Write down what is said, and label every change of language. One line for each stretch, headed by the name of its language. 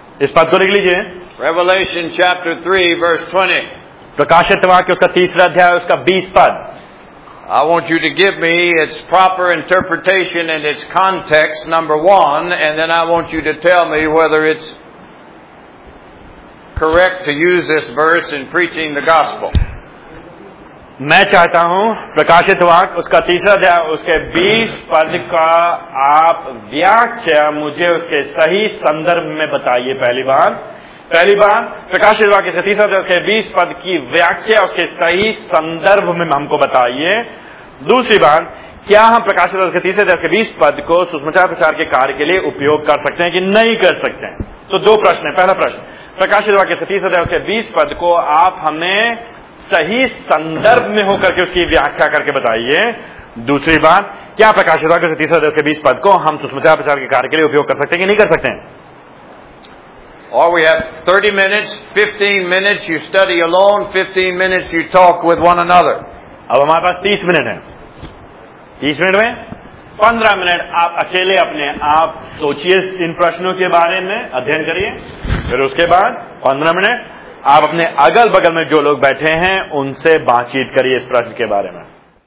Hindi: इस पद को लिख लीजिए
English: Revelation chapter 3 verse 20
Hindi: प्रकाशित वाक्य उसका तीसरा अध्याय उसका 20 पद
English: I want you to give me its proper interpretation and its context number 1 and then I want you to tell me whether it's correct to use this verse in preaching the gospel.
Hindi: मैं चाहता हूं प्रकाशित वाक उसका तीसरा अध्याय उसके 20 पद का आप व्याख्या मुझे उसके सही संदर्भ में बताइए. पहली बार प्रकाशित वाक इसके तीसरा अध्याय उसके 20 पद की व्याख्या उसके सही संदर्भ में हमको बताइए. दूसरी बात, क्या हम प्रकाशित वाक के तीसरे अध्याय के 20 पद को सुसमाचार प्रचार के कार्य के लिए उपयोग कर सकते हैं कि नहीं कर सकते हैं? तो दो प्रश्न है. पहला प्रश्न, प्रकाशित वाक इसके तीसरे अध्याय उसके 20 पद को आप हमें सही संदर्भ में होकर के उसकी व्याख्या करके बताइए. दूसरी बात, क्या प्रकाशित वाक्य के तीसरे अध्याय के 20 पद को हम सुसमाचार प्रचार के कार्य के लिए उपयोग कर सकते हैं कि नहीं कर सकते हैं?
English: Or we have 30 minutes, 15 minutes you study alone, 15 minutes you talk with one another.
Hindi: अब हमारे पास 30 मिनट है. 30 मिनट में 15 मिनट आप अकेले अपने आप सोचिए इन प्रश्नों के बारे में, अध्ययन करिए. फिर उसके बाद 15 मिनट आप अपने अगल बगल में जो लोग बैठे हैं उनसे बातचीत करिए इस प्रश्न के बारे में.